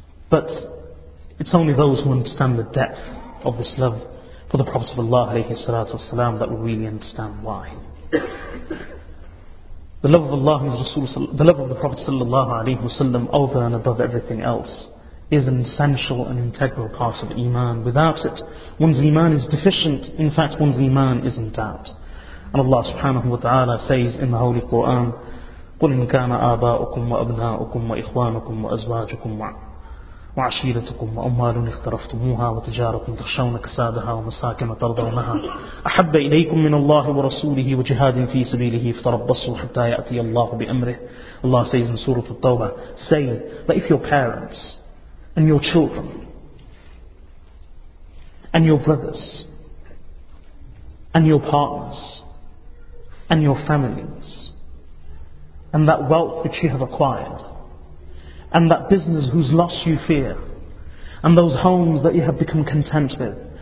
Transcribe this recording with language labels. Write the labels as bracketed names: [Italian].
[English] But it's only those who understand the depth of this love for the Prophet of Allah alayhi salatu wasalam that will really understand why. The love of Allah and Rasul, the love of the Prophet sallallahu alaihi wasallam over and above everything else, is an essential and integral part of iman. Without it, one's iman is deficient. In fact, one's iman is in doubt. And Allah subhanahu wa ta'ala says in the Holy Quran, [Arabic] قُلْ إِنْ كَانَ آبَاؤُكُمْ وَأَبْنَاؤُكُمْ وَإِخْوَانُكُمْ وَأَزْوَاجُكُمْ وعشيرتكم وأموال اقترفتموها وتجارة تخشون كسادها ومساكن ترضونها أحب إليكم من الله ورسوله وجهاد في سبيله فتربصوا حتى يأتي الله بأمره. [English] Allah says in Surah At-Tawbah, say that if your parents and your children and your brothers and your partners and your families and that wealth which you have acquired and that business whose loss you fear, and those homes that you have become content with,